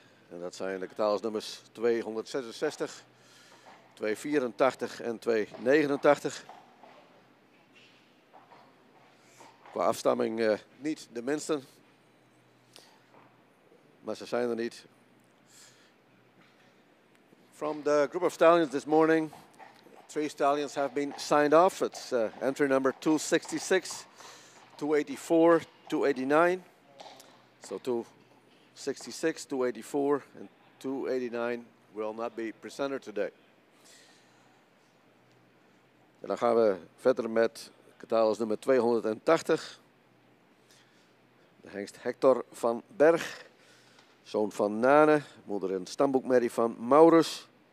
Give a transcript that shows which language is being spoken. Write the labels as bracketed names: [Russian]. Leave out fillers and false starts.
[Dutch] En dat zijn de getalsnummers 266, 284 en 289. Qua afstamming niet de minsten, maar ze zijn er niet. [English] From the group of stallions this morning, three stallions have been signed off. It's entry number 266, 284, 289. So 266, 284, and 289 will not be presented today. [Dutch] En dan gaan we verder met getalens nummer 280. De hengst Hector van Berg, zoon van Nane, moeder en stamboekmerrie van Maurus.